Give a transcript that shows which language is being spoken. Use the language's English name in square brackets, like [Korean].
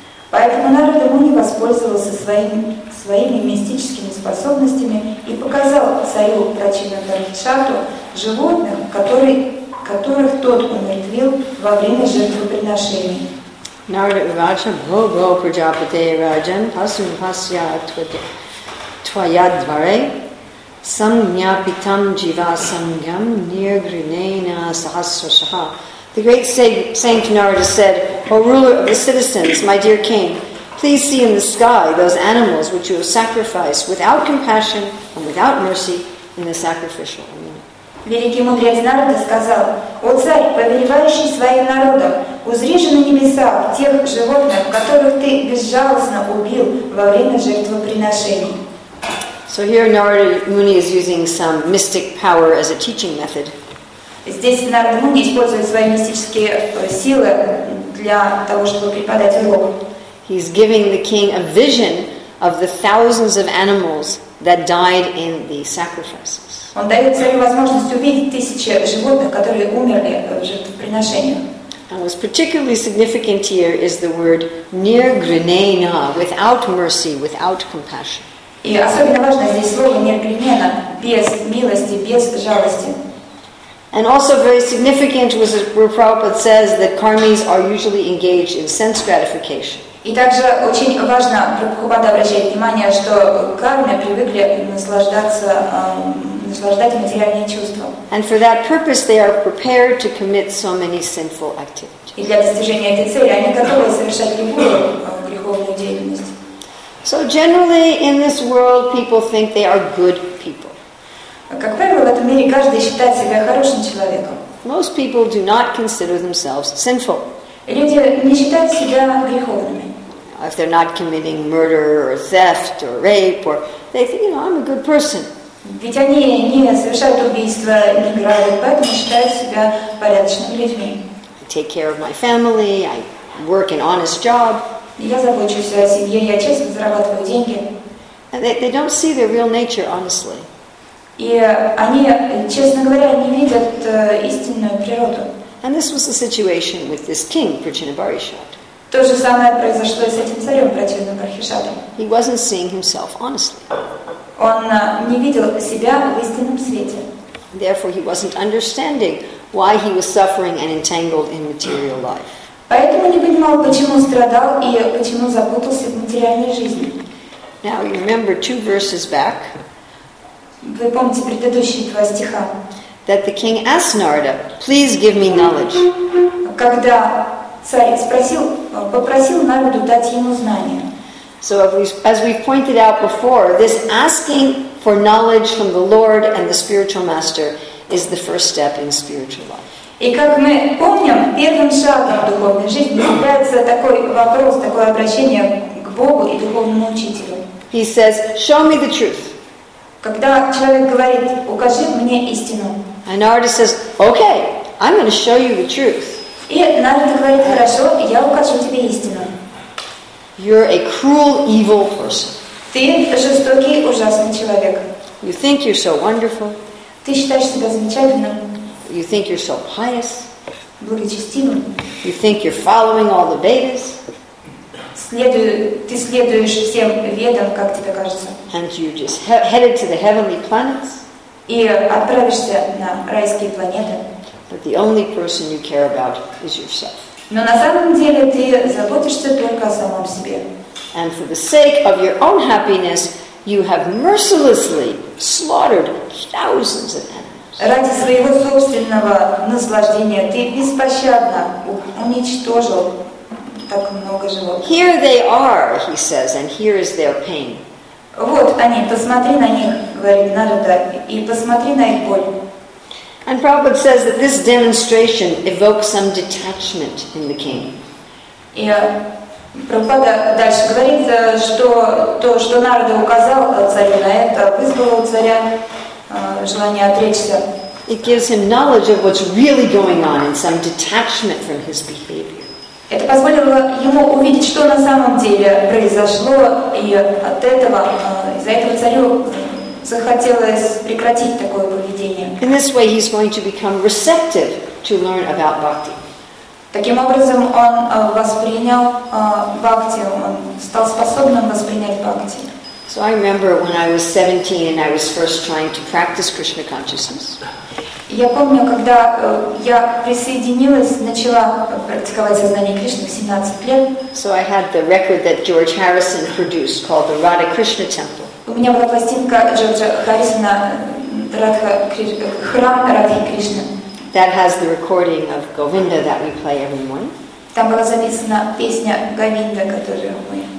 [Russian] Поэтому Нарада Муни воспользовался своими мистическими способностями и показал царю Прачинадхарчату животных, которых тот умертвил во время жертвоприношений. [Sanskrit] Нарада Раджа, Бхо-бхо, Праджапате, Раджан, Пасун, Пасья, Твоя дваре, Самгня Питам, Джива, Самгям, Ниргринена, Сахасрашаха. [English] The great Saint Narada said, O ruler of the citizens, my dear king, please see in the sky those animals which you have sacrificed without compassion and without mercy in the sacrificial arena. [Russian] Великий мудрец Нарада сказал, О царь, повелевающий своим народом, узри же на небесах тех животных, которых ты безжалостно убил во время жертвоприношений. [English] So here Narada Muni is using some mystic power as a teaching method. [Russian] Здесь Нарада Муни использует свои мистические силы для того, чтобы преподать урок. [English] He's giving the king a vision of the thousands of animals that died in the sacrifices. [Russian] Он дает царю возможность увидеть тысячи животных, которые умерли в жертвоприношении. [English] What's particularly significant here is the word nirgrinena, without mercy, without compassion. [Russian] И особенно важно здесь слово nirgrinena, без милости, без жалости. [English] And also very significant was where Prabhupada says that karmis are usually engaged in sense gratification. [Russian] И также очень важно, Прабхупада обращает внимание, что карми привыкли наслаждать материальные чувства. [English] And for that purpose they are prepared to commit so many sinful activities. [Russian] И для достижения этой цели они готовы совершать любую греховную деятельность. [English] So generally in this world people think they are good people. [Russian] Как правило, в этом мире каждый считает себя хорошим человеком. [English] Most people do not consider themselves sinful. [Russian] Люди не считают себя греховными. [English] If they're not committing murder or theft or rape, or they think, I'm a good person. [Russian] Ведь они не совершают убийства, не грабят, поэтому считают себя порядочными людьми. [English] I take care of my family. I work an honest job. [Russian] Я забочусь о семье. Я честно зарабатываю деньги. [English] And they don't see their real nature honestly. [Russian] И они, честно говоря, не видят истинную природу. [English] And this was the situation with this king, Prachinabharishad. [Russian] То же самое произошло с этим царем, Прачинабхаришадом. [English] He wasn't seeing himself honestly. [Russian] Он не видел себя в истинном свете. [English] Therefore, he wasn't understanding why he was suffering and entangled in material life. [Russian] Поэтому не понимал, почему страдал и почему запутался в материальной жизни. [English] Now, you remember two verses back. [Russian] Вы помните предыдущие два стиха? [English] That the king asked Narada, please give me knowledge. [Russian] Когда царь спросил, попросил Нараду дать ему знания. [English] So as we pointed out before, this asking for knowledge from the Lord and the spiritual master is the first step in spiritual life. [Russian] И как мы помним, первым шагом в духовной жизни является такой вопрос, такое обращение к Богу и духовному учителю. [English] He says, show me the truth. [Russian] Когда человек говорит, укажи мне истину. [English] And Narada says, okay, I'm going to show you the truth. [Russian] И Нарада говорит, хорошо, я укажу тебе истину. [English] You're a cruel, evil person. [Russian] Ты жестокий, ужасный человек. [English] You think you're so wonderful. [Russian] Ты считаешь себя замечательным. [English] You think you're so pious. [Russian] Благочестивым. [English] You think you're following all the Vedas. [Russian] Ты следуешь всем ведам, как тебе кажется. [English] And you're just headed to the heavenly planets. [Russian] И отправишься на райские планеты. [English] But the only person you care about is yourself. [Russian] Но на самом деле ты заботишься только о самом себе. [English] And for the sake of your own happiness, you have mercilessly slaughtered thousands of animals. [Russian] Ради своего собственного наслаждения ты беспощадно уничтожил так много животных. [English] Here they are, he says, and here is their pain. [Russian] Вот они, посмотри на них, говорит Нарада, и посмотри на их боль. [English] And Prabhupada says that this demonstration evokes some detachment in the king. [Russian] И Прабхупада дальше говорит, что то, что Нарада указал царю на это, вызвало у царя желание отречься. [English] It gives him knowledge of what's really going on and some detachment from his behavior. [Russian] Это позволило ему увидеть, что на самом деле произошло, и от этого, из-за этого царю захотелось прекратить такое поведение. [English] In this way he's going to become receptive to learn about bhakti. [Russian] Таким образом, он воспринял бхакти, он стал способным воспринять бхакти. [English] So I remember when I was 17 and I was first trying to practice Krishna consciousness. [Russian] Я помню, когда я присоединилась, начала практиковать сознание Кришны в 17 лет. [English] So I had the record that George Harrison produced called the Radha Krishna Temple. [Russian] У меня была пластинка Джорджа Харрисона храм Радхи Кришны. [English] That has the recording of Govinda that we play every morning. [Russian] Там была записана песня Говинда, которую мы